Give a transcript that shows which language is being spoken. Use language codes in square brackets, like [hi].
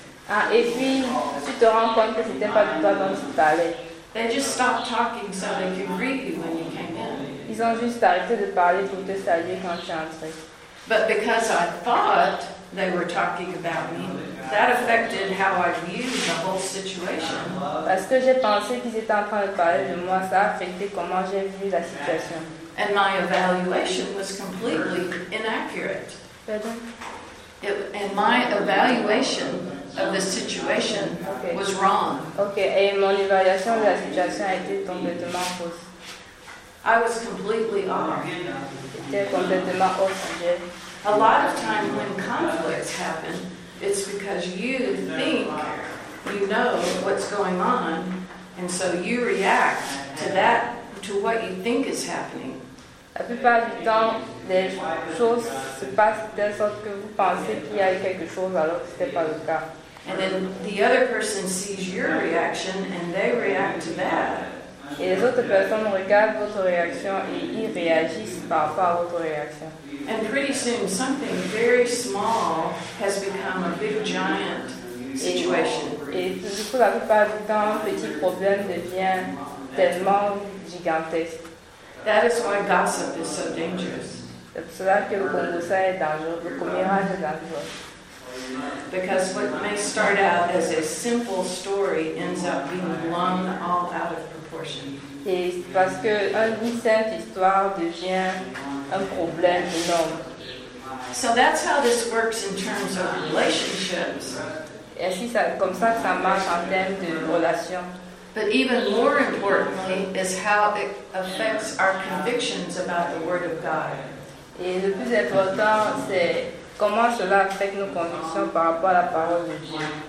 [fr] Ah, et puis tu te rends compte que c'était pas de toi dont tu parlais. [en] They just stopped talking so they could greet you when you came in. [fr] Ils ont juste arrêté de parler pour te saluer quand tu es entré. [en] But because I thought they were talking about me, that affected how I viewed the whole situation. [fr] Parce que j'ai pensé qu'ils étaient en train de parler de moi, ça a affecté comment j'ai vu la situation. [en] And my evaluation was completely inaccurate. [fr] Pardon? [en] And my evaluation of the situation was wrong. Okay. [fr] Et mon évaluation de la situation a été complètement fausse. [en] I was completely off. [fr] J'étais complètement hors sujet. [en] A lot of time when conflicts happen, it's because you think you know what's going on, and so you react to that, to what you think is happening. [fr] La plupart du temps, les choses se passent de sorte que vous pensez qu'il y a quelque chose alors que ce n'était pas le cas. [en] And then the other person sees your reaction and they react to that. [fr] Et les autres personnes regardent votre réaction et ils réagissent par rapport à votre réaction. [en] And pretty soon something very small has become a big giant situation. [fr] Et du coup, la plupart du temps, un petit problème devient tellement gigantesque. [en] That is why gossip is so dangerous. [fr] C'est pour cela que le conversa est dangereux, le commérage est dangereux. [en] Because what may start out as a simple story ends up being blown all out of proportion. [fr] Et parce que une simple histoire devient un problème énorme. [en] So that's how this works in terms of relationships. [fr] Et si ça, comme ça, ça marche en termes de relations. [en] But even more importantly is how it affects our convictions about the Word of God. [fr] Et le plus important, c'est comment cela affecte nos convictions par rapport à la parole de Dieu.